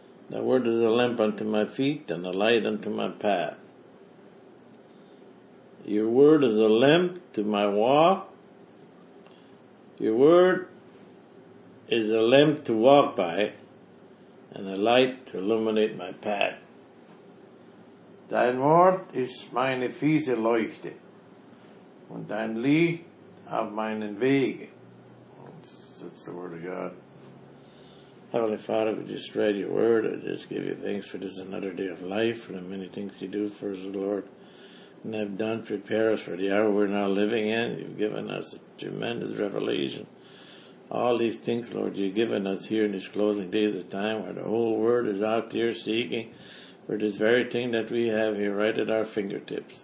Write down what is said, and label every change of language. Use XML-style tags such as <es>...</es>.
<en>The word is a lamp unto my feet and a light unto my path. Your word is a lamp to my walk. Your word is a lamp to walk by and a light to illuminate my path.</en> <de>Dein Wort ist meine Füße leuchte und dein Licht auf meinen Wege.</de> <en>That's the word of God. Heavenly Father, we just read your word. I just give you thanks for this another day of life and the many things you do for us, Lord, and have done. Prepare us for the hour we're now living in. You've given us a tremendous revelation. All these things, Lord, you've given us here in these closing days of time where the whole world is out here seeking for this very thing that we have here right at our fingertips.</en>